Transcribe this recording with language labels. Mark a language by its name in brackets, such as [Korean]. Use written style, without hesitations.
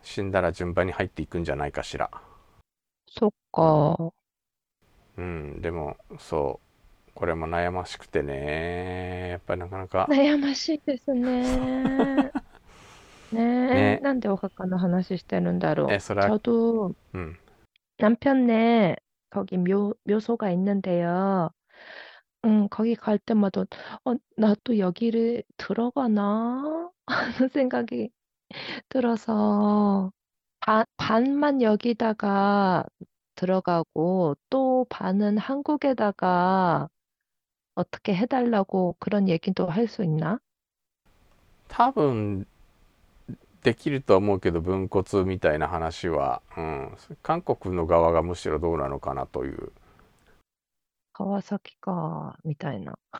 [Japanese] 死んだら順番に入っていくんじゃないかしら。そっか。でもそう、これも悩ましくてね、やっぱりなかな か悩ましいですね。ね、なんでお墓の話してるんだろう。そりゃ、 [Korean] 저도 남편네 거기 묘소가 있는데요. 거기 갈 때마다 나도 여기를 들어가나 하는 생각이 들어서 반만 여기다가 들어가고 또 반은 한국에다가 어떻게 해달라고 그런 얘기도 할수 있나? [Japanese] 多分できると思うけど、分骨みたいな話は、韓国の側がむしろどうなのかなという。川崎か、みたいな。